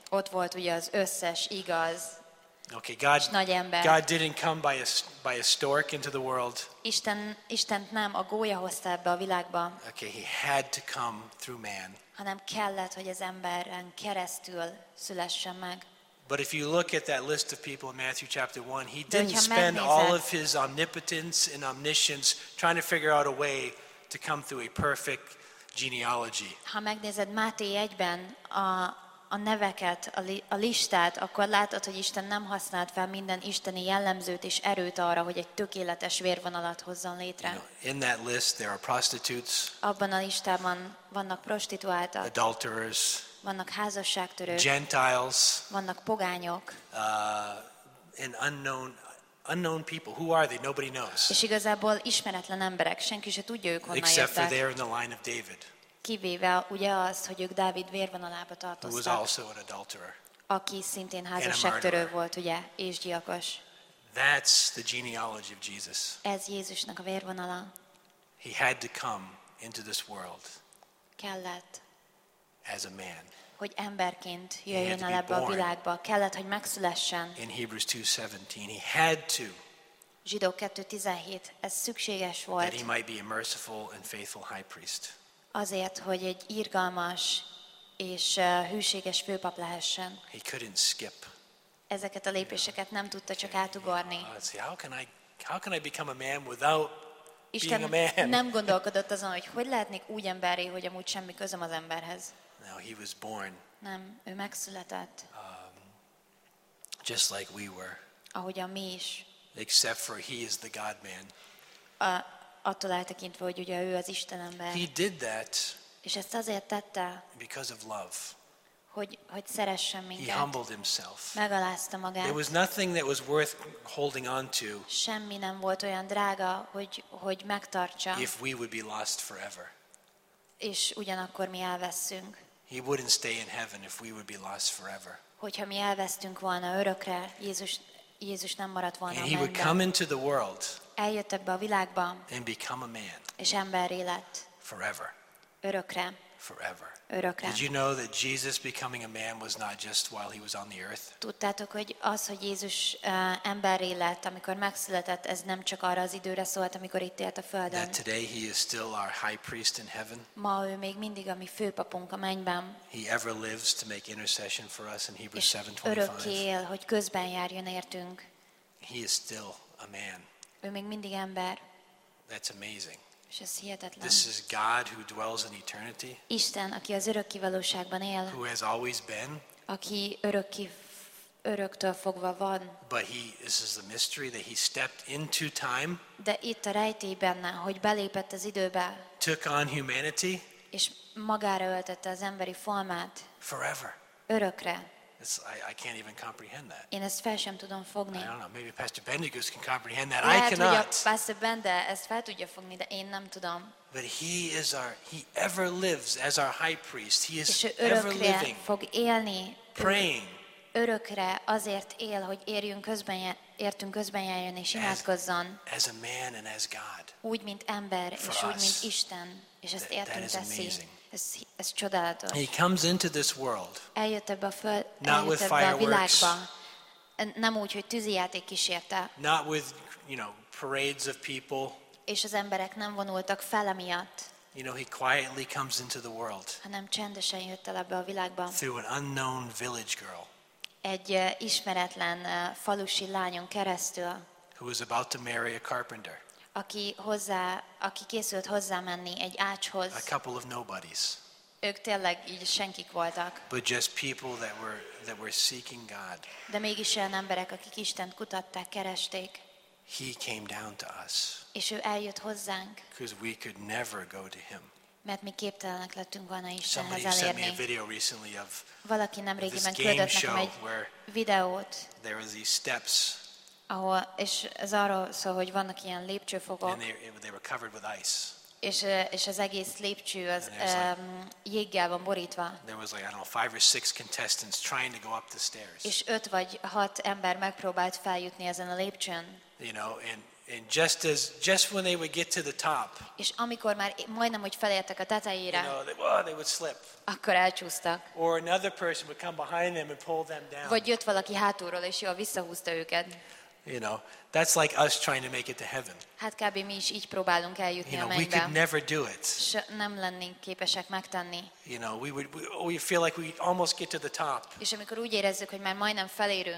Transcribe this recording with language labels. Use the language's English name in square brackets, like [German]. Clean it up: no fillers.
[Hungarian] Ott volt ugye az összes igaz. [English] Okay, God didn't come by a stork into the world. [Hungarian] Isten nem a gólya hozta ebbe a világba. [English] Okay, he had to come through man. [Hungarian] Hanem kellett, hogy az emberen keresztül szülessen meg. [English] But if you look at that list of people in Matthew chapter 1, he didn't spend all of his omnipotence and omniscience trying to figure out a way to come through a perfect genealogy. [Hungarian] Ha megnézed Máté 1-ben a neveket, a listát, akkor látod, hogy Isten nem használt fel minden isteni jellemzőt és erőt arra, hogy egy tökéletes vérvonalat hozzon létre. [English] You know, in that list there are prostitutes. [Hungarian] Abban a listában vannak prostituáltak. [English] Adulterers. [Hungarian] Vannak házasságtörők. [English] Gentiles. [Hungarian] Vannak pogányok. [English] And unknown people. Who are they? Nobody knows. [Hungarian] És igazából ismeretlen emberek. Senki se tudja, ők honnan jöttek. [English] Except they're in the line of David. [Hungarian] Kivéve ugye az, hogy ők Dávid vérvonalába tartoztak, aki szintén házasságtörő volt, ugye, és gyilkos. [English] That's the genealogy of Jesus. [Hungarian] Ez Jézusnak a vérvonala. [English] He had to come into this world. [Hungarian] Kellett. [English] As a man. [Hungarian] Hogy emberként jöjjön el ebbe a világba. Kellett, hogy megszülessen. [English] In Hebrews 2:17, he had to. [Hungarian] Zsidók 2:17, ez szükséges volt. [English] That he might be a merciful and faithful high priest. [Hungarian] Azért, hogy egy irgalmas és hűséges főpap lehessen. [English] He couldn't skip. [Hungarian] ezeket a lépéseket nem tudta csak átugorni. [English] How can I become a man without being a man? [Hungarian] Nem gondolkodott azon, hogy hogy lehetnék úgy emberré, hogy amúgy semmi közöm az emberhez. [English] No, he was born. [Hungarian] Nem, ő megszületett. [English] Just like we were. [Hungarian] Ahogyan mi is. [English] Except for he is the God-man. [Hungarian] Attól eltekintve, hogy ugye ő az Isten ember. [English] He did that. [Hungarian] És ezt azért tette. [English] Because of love. [Hungarian] Hogy szeressen minket. [English] He humbled himself. [Hungarian] Megalázta magát. [English] There was nothing that was worth holding on to. [Hungarian] Semmi nem volt olyan drága, hogy megtartsa. [English] If we would be lost forever. [Hungarian] És ugyanakkor mi elveszünk. [English] He wouldn't stay in heaven if we would be lost forever. [Hungarian] Hogyha mi elvesztünk volna örökre, Jézus nem maradt volna bennünk. [English] He would come into the world. [Hungarian] Eljött ebbe a világba. [English] And become a man. [Hungarian] És emberré lett. [English] Forever. [Hungarian] Örökre. [English] Forever. [Hungarian] Örökre. [English] Did you know that Jesus becoming a man was not just while he was on the earth? [Hungarian] Tudtátok, hogy az, hogy Jézus emberré lett, amikor megszületett, ez nem csak arra az időre szólt, amikor itt élt a Földön. [English] That today he is still our high priest in heaven. [Hungarian] Ma ő még mindig a mi főpapunk a mennyben. [English] He ever lives to make intercession for us in Hebrews 7:25. [Hungarian] Örökké él, hogy közben járjon értünk. [English] He is still a man. [Hungarian] Ő még mindig ember. [English] That's amazing. [Hungarian] És ez hihetetlen. [English] This is God who dwells in eternity. [Hungarian] Isten, aki az örökké valóságban él. [English] Who has always been. [Hungarian] Aki öröktől fogva van. [English] But this is the mystery that he stepped into time. [Hungarian] De itt a rejtély benne, hogy belépett az időbe. [English] Took on humanity. [Hungarian] És magára öltette az emberi formát. [English] Forever. [Hungarian] Örökre. [English] I can't even comprehend that. [Hungarian] Én ezt fel sem tudom fogni. [English] I don't know. Maybe Pastor Bendigus can comprehend that. I cannot. [Hungarian] Lehet, hogy Pastor Bende ezt fel tudja fogni, de én nem tudom. [English] But he ever lives as our high priest. He is ever living. [Hungarian] Fog élni. [English] Praying. [Hungarian] Örökre azért él, hogy értünk közben járjon és imádkozzon. [English] As a man and as God. [Hungarian] Úgy mint ember és úgy mint Isten, és ezt értünk teszi. Ez csodálatos. [English] He comes into this world. [Hungarian] Eljött ebbe a világba. Nem úgy, hogy tűzijáték kísérte. [English] Not with, you know, parades of people. [Hungarian] És az emberek nem vonultak fel emiatt. [English] You know, he quietly comes into the world. [Hungarian] Hanem csendesen jött el ebbe a világba. [English] Through an unknown village girl. [Hungarian] Egy ismeretlen falusi lányon keresztül. [English] Who was about to marry a carpenter. [Hungarian] Aki készült hozzámenni egy ácshoz. [English] A couple of nobodies. [Hungarian] Ők tényleg így senkik voltak. [English] But just people that were seeking God. [Hungarian] De mégis olyan emberek, akik Istent kutatták, keresték. [English] He came down to us. [Hungarian] És ő eljött hozzánk. [English] Because we could never go to him. [Hungarian] Mert mi képtelenek lettünk volna Istenhez elérni. [English] Somebody sent me a video recently of [Hungarian] valaki nemrégiben küldött nekem egy videót. [English] There are these steps. [Hungarian] Ahol, és ez arról szól, hogy vannak ilyen lépcsőfogok. [English] And they were covered with ice. [Hungarian] És az egész lépcső az jéggel van borítva. [English] There was like, I don't know, 5 or 6 contestants trying to go up the stairs. [Hungarian] És 5 vagy 6 ember megpróbált feljutni ezen a lépcsőn. [English] You know, and just when they would get to the top. [Hungarian] És amikor már majdnem hogy felértek a tetejére. [English] You know, they would slip. [Hungarian] Akkor elcsúsztak. [English] Or another person would come behind them and pull them down. [Hungarian] Vagy jött valaki hátulról és jól visszahúzta őket. [English] You know, that's like us trying to make it to heaven. [Hungarian] Hát kb. Mi is így próbálunk eljutni a mennybe. [English] You know, we could never do it. [Hungarian] Nem lennénk képesek megtenni. [English] You know, we feel like we almost get to the top. [Hungarian] És amikor úgy érezzük, hogy már majdnem felérünk.